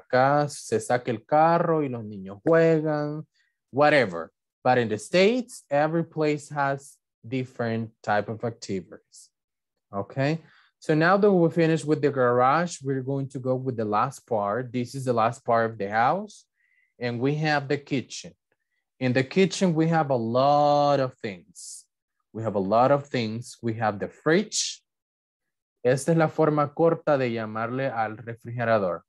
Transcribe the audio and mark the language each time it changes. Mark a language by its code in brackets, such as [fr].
[es] Acá se saca el carro y los niños juegan, whatever. [en] But in the States, every place has different type of activities. Okay, so now that we're finished with the garage, we're going to go with the last part. This is the last part of the house, and we have the kitchen. In the kitchen, we have a lot of things. We have a lot of things. We have the fridge. [es] Esta es la forma corta de llamarle al refrigerador.